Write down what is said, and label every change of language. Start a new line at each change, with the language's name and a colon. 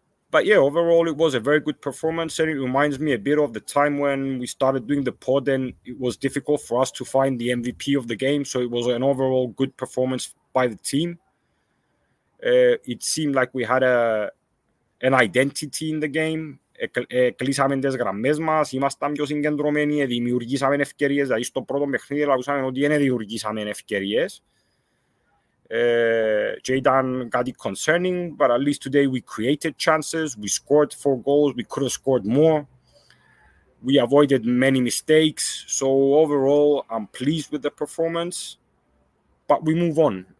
English: But yeah, overall, it was a very good performance, and it reminds me a bit of the time when we started doing the pod and it was difficult for us to find the MVP of the game, so it was an overall good performance by the team. It seemed like we had an identity in the game.
Greek: Κλείσαμε τις γραμμές μας, ήμασταν πιο συγκεντρωμένοι, δημιουργήσαμε ευκαιρίες. Δηλαδή στο πρώτο παιχνίδι λαγούσαμε ότι δεν δημιουργήσαμε ευκαιρίες. Και ήταν κάτι
English: concerning, but at least today we created chances, we scored 4 goals, we could have scored more. We avoided many mistakes, so overall I'm pleased with the performance. But we move on.